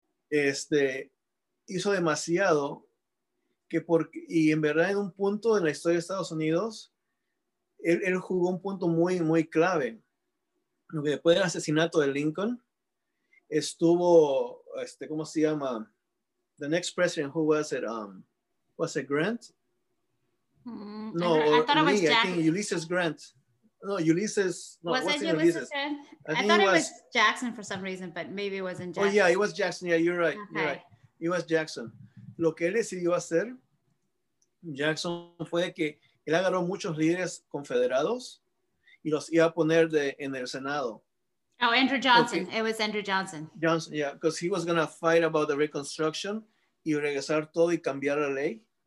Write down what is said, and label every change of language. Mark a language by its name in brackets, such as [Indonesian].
[Spanish] Hizo demasiado. Y en verdad, en un punto en la historia de Estados Unidos, él jugó un punto muy, muy clave. Porque después del asesinato de Lincoln, estuvo, ¿cómo se llama? [English] The next president, who was it? Was it Grant? No, I thought it was Jackson. I think Ulysses Grant. No, Ulysses. No, was it Ulysses? I thought it was Jackson for some reason, but maybe it wasn't Jackson. Oh, yeah, it was Jackson. Yeah, you're right. Okay. You're right. It was Jackson. [Spanish] Lo que él decidió hacer, Jackson, fue que él agarró muchos líderes confederados y los iba a poner en el Senado. [English] Oh, Andrew Johnson. It was Andrew Johnson. Johnson, yeah, because he was going to fight about the Reconstruction [Spanish] y regresar todo y cambiar la ley.